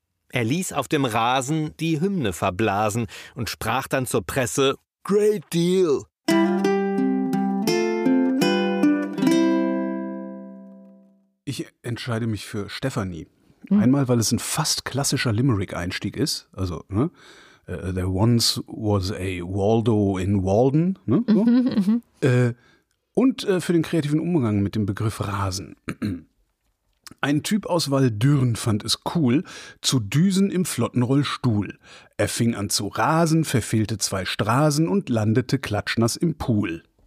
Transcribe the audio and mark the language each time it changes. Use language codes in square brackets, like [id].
[de] Er ließ auf dem Rasen die Hymne verblasen und sprach dann zur Presse: [en] Great deal! [de] Ich entscheide mich für Stephanie. Einmal, weil es ein fast klassischer Limerick-Einstieg ist. Also, ne? [en] There once was a Waldo in Walden. [de] Ne? So. Und für den kreativen Umgang mit dem Begriff Rasen. Ein Typ aus Walldürn fand es cool, zu düsen im Flottenrollstuhl. Er fing an zu rasen, verfehlte zwei Straßen und landete klatschnass im Pool.